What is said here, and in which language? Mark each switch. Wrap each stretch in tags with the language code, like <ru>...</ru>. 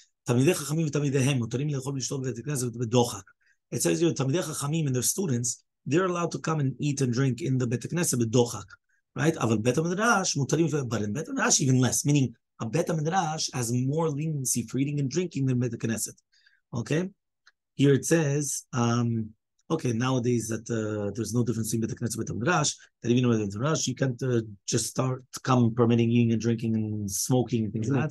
<he>תמידי חכמים ותמידיהם מותרים לאכול ולשתות בבית הכנסת בדוחק.</he> <en>It says, you know,</en> <he>תמידי חכמים</he> <en>and their students, they're allowed to come and eat and drink in the</en> <he>בית הכנסת בדוחק.</he> <en>Right?</en> <he>אבל בית המדרש מותרים,</he> <en>but in</en> <he>בית המדרש</he> <en>even less. Meaning, a בית המדרש has more leniency for eating and drinking than בית הכנסת. Okay? Here it says, okay, nowadays that there's no difference between</en> <he>בית הכנסת ובית המדרש,</he> <en>that even with the מדרש, you can't just start come permitting eating and drinking and smoking and things like that.</en>